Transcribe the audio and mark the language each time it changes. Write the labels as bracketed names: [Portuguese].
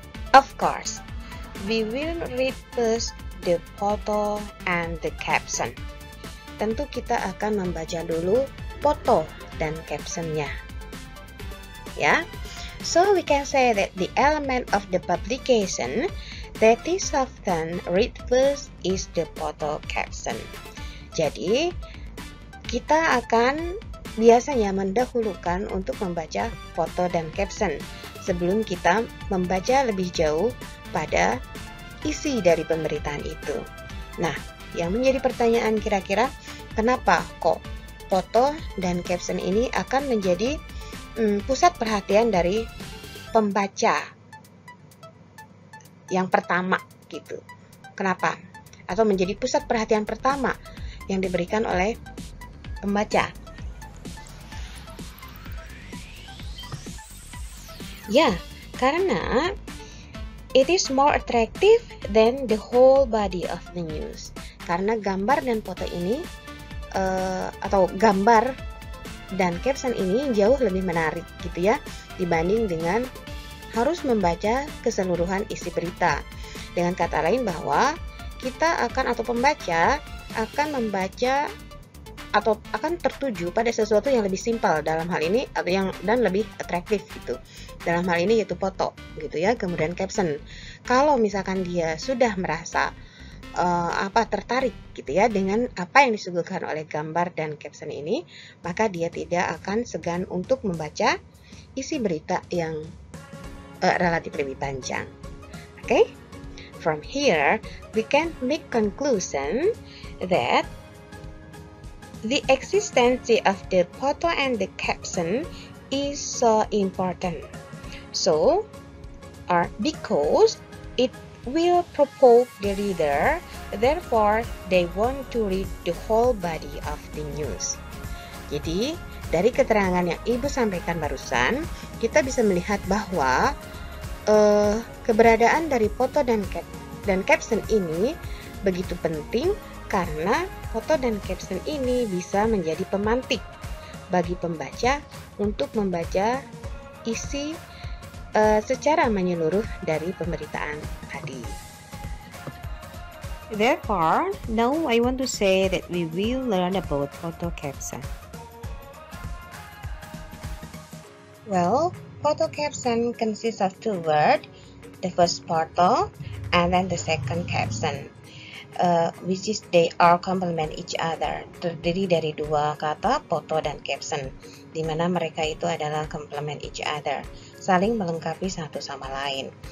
[English] Of course, we will read first the photo and the caption. [Indonesian] Tentu kita akan membaca dulu foto dan captionnya. [English] Ya, so we can say that the element of the publication that is often read first is the photo caption. [Indonesian] Jadi, kita akan biasanya mendahulukan untuk membaca foto dan caption sebelum kita membaca lebih jauh pada isi dari pemberitaan itu. Nah, yang menjadi pertanyaan kira-kira, kenapa kok foto dan caption ini akan menjadi pusat perhatian dari pembaca yang pertama gitu? Kenapa? Atau menjadi pusat perhatian pertama yang diberikan oleh pembaca? Ya, karena [English] it is more attractive than the whole body of the news. [Indonesian] Karena gambar dan foto ini atau gambar dan caption ini jauh lebih menarik gitu ya, dibanding dengan harus membaca keseluruhan isi berita. Dengan kata lain, bahwa kita akan atau pembaca akan membaca atau akan tertuju pada sesuatu yang lebih simpel dalam hal ini, atau yang dan lebih atraktif gitu dalam hal ini, yaitu foto gitu ya, kemudian caption. Kalau misalkan dia sudah merasa tertarik gitu ya dengan apa yang disuguhkan oleh gambar dan caption ini, maka dia tidak akan segan untuk membaca isi berita yang relatif lebih panjang. [English] Okay, from here we can make conclusion that the existence of the photo and the caption is so important. So, because it will provoke the reader, therefore they want to read the whole body of the news. [Indonesian] Jadi, dari keterangan yang Ibu sampaikan barusan, kita bisa melihat bahwa keberadaan dari foto dan caption ini begitu penting karena foto dan caption ini bisa menjadi pemantik bagi pembaca untuk membaca isi secara menyeluruh dari pemberitaan tadi. [English] Therefore, now I want to say that we will learn about photo caption. Well, photo caption consists of two words, the first photo and then the second caption, which is they all complement each other, [Indonesian] terdiri dari dua kata, foto dan caption, di mana mereka itu adalah [English] complement each other, [Indonesian] saling melengkapi satu sama lain.